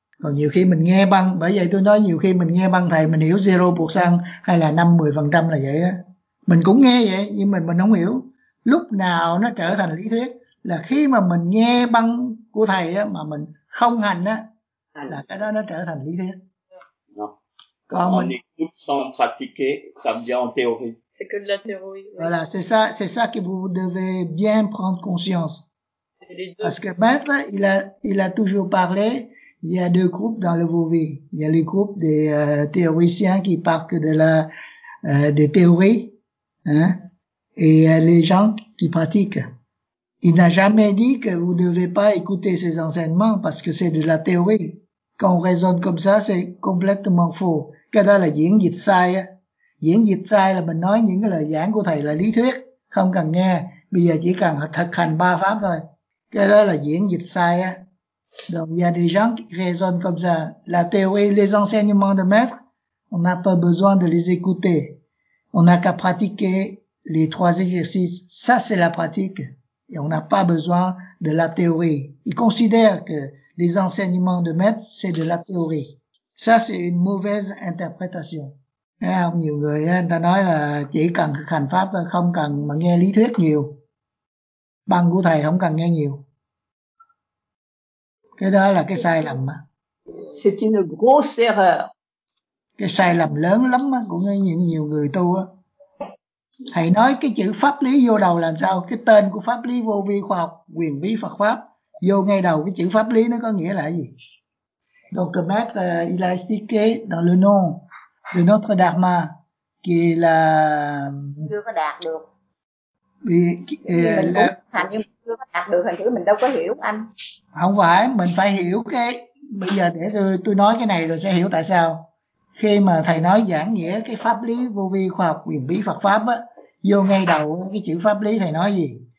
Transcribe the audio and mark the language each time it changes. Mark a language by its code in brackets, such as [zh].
[vi] Còn nhiều khi mình nghe băng, bởi vậy tôi nói nhiều khi mình nghe băng thầy mình hiểu 0% hay là 5-10% là vậy á. Mình cũng nghe vậy, nhưng mình không hiểu. Lúc nào nó trở thành lý thuyết là khi mà mình nghe băng của thầy á, mà mình không hành á, là cái đó nó trở thành lý thuyết. Còn mình [fr] pratiquer, ça vient en théorie. C'est que de la théorie. Voilà, c'est ça que vous devez bien prendre conscience. Parce que maître, il a toujours parlé, il y a deux groupes dans le Vauvi. Il y a le groupe des théoriciens qui parlent de la des théories. Hein? Et les gens qui pratiquent, Il n'a jamais dit que vous ne devez pas écouter ses enseignements parce que c'est de la théorie. Quand on raisonne comme ça, c'est complètement faux. [vi] Cái đó là diễn dịch sai á. Diễn dịch sai là mình nói những cái lời giảng của thầy là lý thuyết, không cần nghe. Bây giờ chỉ cần thực hành ba pháp thôi. Cái đó là diễn dịch sai á. [fr] Donc il y a des gens qui raisonnent comme ça. La théorie, les enseignements de maître, on n'a pas besoin de les écouter. On n'a qu'à pratiquer les trois exercices. Ça, c'est la pratique. Et on n'a pas besoin de la théorie. Ils considèrent que les enseignements de maître, c'est de la théorie. Ça, c'est une mauvaise interprétation. [vi] Không, nhiều người ta nói là chỉ cần hành pháp thôi, không cần mà nghe lý thuyết nhiều. Băng của thầy không cần nghe nhiều. Cái đó là cái sai lầm. [fr] C'est une grosse erreur. [vi] Cái sai lầm lớn lắm của những nhiều người tu. Thầy nói cái chữ pháp lý vô đầu là sao? Cái tên của pháp lý vô vi khoa học, quyền bí Phật Pháp, vô ngay đầu cái chữ pháp lý nó có nghĩa là gì? [fr] Donc le maître, il a expliqué dans le nom de notre dharma, qui est la... [vi] Chưa có đạt được. Mình cũng hành nhưng chưa có đạt được, hình chữ mình đâu có hiểu anh. Không phải, mình phải hiểu cái... Bây giờ để tôi nói cái này rồi sẽ hiểu tại sao. Khi mà thầy nói giảng nghĩa cái pháp lý vô vi khoa học quyền bí Phật Pháp á, vô ngay đầu cái chữ pháp lý thầy nói gì?